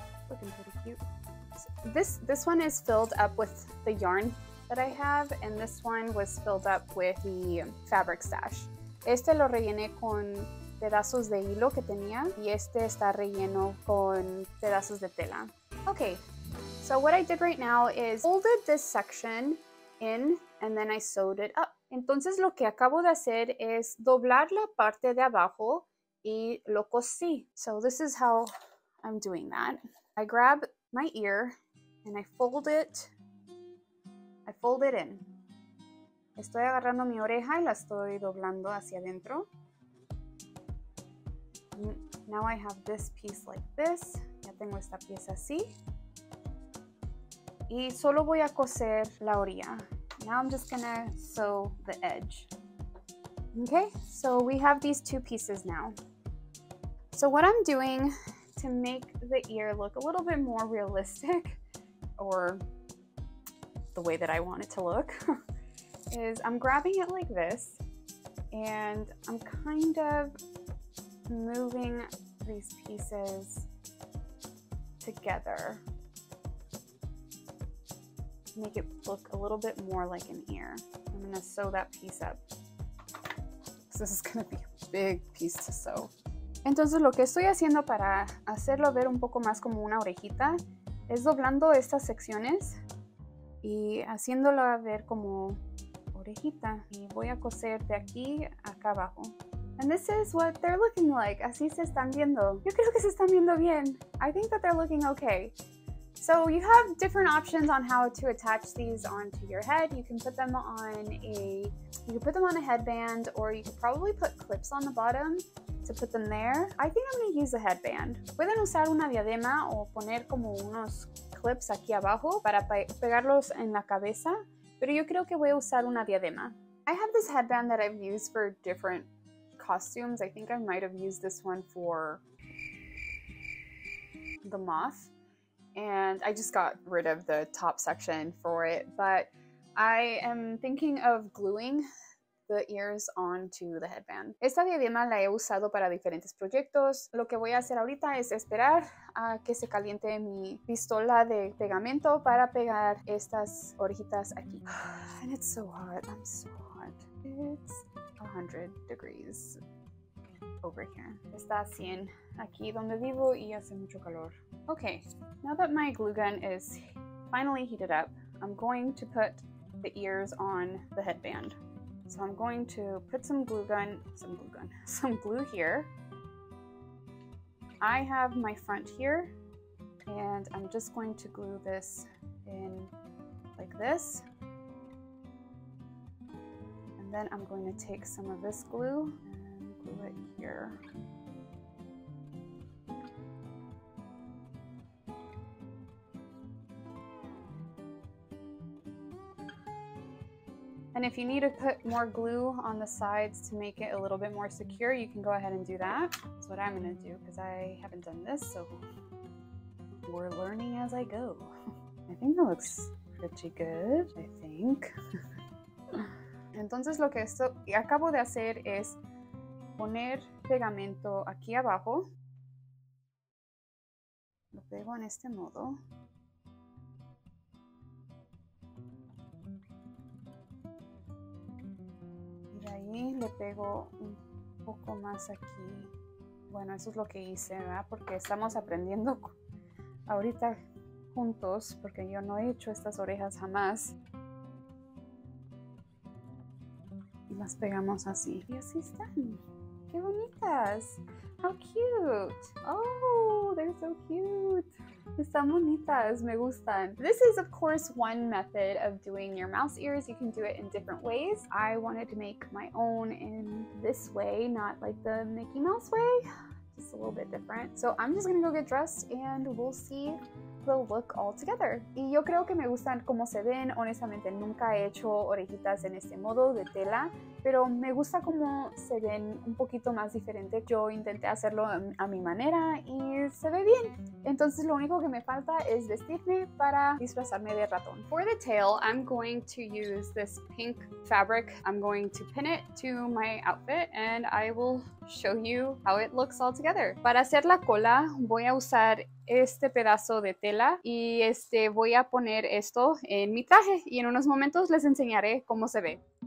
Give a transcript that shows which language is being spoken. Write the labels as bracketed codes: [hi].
[en] Looking pretty cute. So this one is filled up with the yarn that I have, and this one was filled up with the fabric stash. [es] Este lo rellené con pedazos de hilo que tenía, y este está relleno con pedazos de tela. [en] Okay, so what I did right now is folded this section in and then I sewed it up. [es] Entonces lo que acabo de hacer es doblar la parte de abajo y lo cosí. [en] So this is how I'm doing that. I grab my ear and I fold it in. [es] Estoy agarrando mi oreja y la estoy doblando hacia adentro. [en] Now I have this piece like this. [es] Ya tengo esta pieza así. Y solo voy a coser la orilla. [en] Now I'm just gonna sew the edge. Okay, so we have these two pieces now. So what I'm doing to make the ear look a little bit more realistic, or the way that I want it to look, is I'm grabbing it like this, and I'm kind of moving these pieces together. Make it look a little bit more like an ear. I'm gonna sew that piece up. This is gonna be a big piece to sew. [es] Entonces lo que estoy haciendo para hacerlo ver un poco más como una orejita es doblando estas secciones y haciéndolo ver como orejita. Y voy a coser de aquí a acá abajo. [en] And this is what they're looking like. [es] Así se están viendo. Yo creo que se están viendo bien. [en] I think that they're looking okay. So you have different options on how to attach these onto your head. You can put them on a headband, or you could probably put clips on the bottom to put them there. I think I'm gonna use a headband. [es] Pueden usar una diadema o poner como unos clips aquí abajo para pegarlos en la cabeza, pero yo creo que voy a usar una diadema. [en] I have this headband that I've used for different costumes. I think I might have used this one for the moth. And I just got rid of the top section for it, but I am thinking of gluing the ears onto the headband. [es] Esta diadema la he usado para diferentes proyectos. Lo que voy a hacer ahorita es esperar a que se caliente mi pistola de pegamento para pegar estas orejitas aquí. [en] And it's so hot. I'm so hot. It's 100 degrees. over here. [es] Está 100 aquí donde vivo y hace mucho calor. [en] Okay, now that my glue gun is finally heated up, I'm going to put the ears on the headband. So I'm going to put some glue here. I have my front here, and I'm just going to glue this in like this. And then I'm going to take some of this glue and glue it here. And if you need to put more glue on the sides to make it a little bit more secure, you can go ahead and do that. That's what I'm gonna do because I haven't done this, so we're learning as I go. I think that looks pretty good, I think. [es] Entonces lo que acabo de hacer es poner pegamento aquí abajo. Lo pego en este modo. Ahí le pego un poco más aquí. Bueno, eso es lo que hice, ¿verdad? Porque estamos aprendiendo ahorita juntos, porque yo no he hecho estas orejas jamás. Y las pegamos así. Y así están. ¡Qué bonitas! [en] How cute! Oh, they're so cute. [es] Están bonitas, me gustan. [en] This is of course one method of doing your mouse ears. You can do it in different ways. I wanted to make my own in this way, not like the Mickey Mouse way. Just a little bit different. So I'm just gonna go get dressed and we'll see the look all together. [es] Y yo creo que me gustan como se ven. Honestamente, nunca he hecho orejitas en este modo de tela. Pero me gusta cómo se ven un poquito más diferente. Yo intenté hacerlo a mi manera y se ve bien. Entonces lo único que me falta es vestirme para disfrazarme de ratón. [en] For the tail, I'm going to use this pink fabric. I'm going to pin it to my outfit and I will show you how it looks all together. [es] Para hacer la cola, voy a usar este pedazo de tela y voy a poner esto en mi traje. Y en unos momentos les enseñaré cómo se ve.